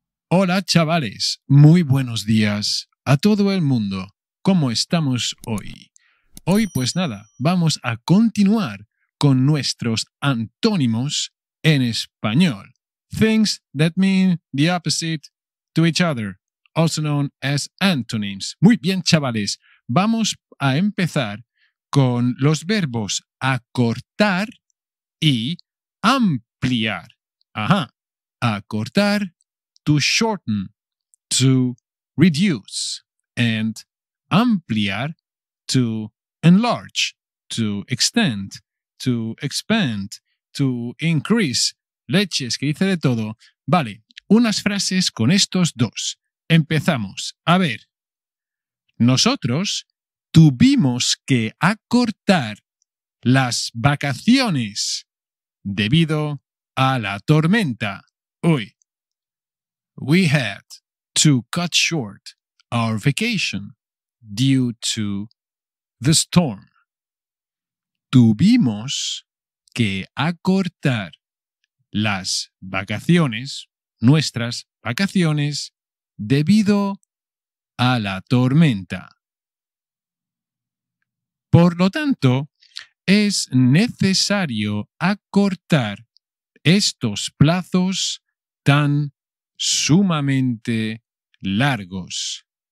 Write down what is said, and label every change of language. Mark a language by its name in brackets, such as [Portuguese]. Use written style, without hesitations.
[Spanish] Hola chavales, muy buenos días a todo el mundo. ¿Cómo estamos hoy? Hoy pues nada, vamos a continuar con nuestros antónimos en español. [English] Things that mean the opposite to each other, also known as antonyms. [Spanish] Muy bien chavales, vamos a empezar con los verbos acortar y ampliar. [English] Ajá, acortar. To shorten, to reduce, and ampliar, to enlarge, to extend, to expand, to increase. [Spanish] Leches, que dice de todo. Vale, unas frases con estos dos. Empezamos. A ver. Nosotros tuvimos que acortar las vacaciones debido a la tormenta. Uy. [English] We had to cut short our vacation due to the storm. [Spanish] Tuvimos que acortar las vacaciones, nuestras vacaciones, debido a la tormenta. Por lo tanto, es necesario acortar estos plazos tan sumamente largos.